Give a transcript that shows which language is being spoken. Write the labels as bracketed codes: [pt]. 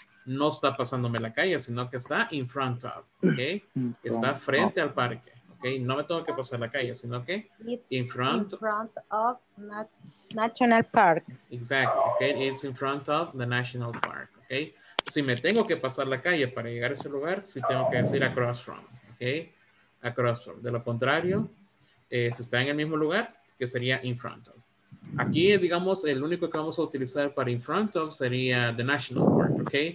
[es] no está pasándome la calle, sino que está in front of, ok, está frente al parque, ok, no me tengo que pasar la calle, sino que [en] in front of National Park. Exactly, ok, it's in front of the National Park, ok. [es] Si me tengo que pasar la calle para llegar a ese lugar, sí tengo que decir across from, ok, across from. De lo contrario, si está en el mismo lugar, que sería in front of. Aquí, digamos, el único que vamos a utilizar para in front of sería the National Park, ok.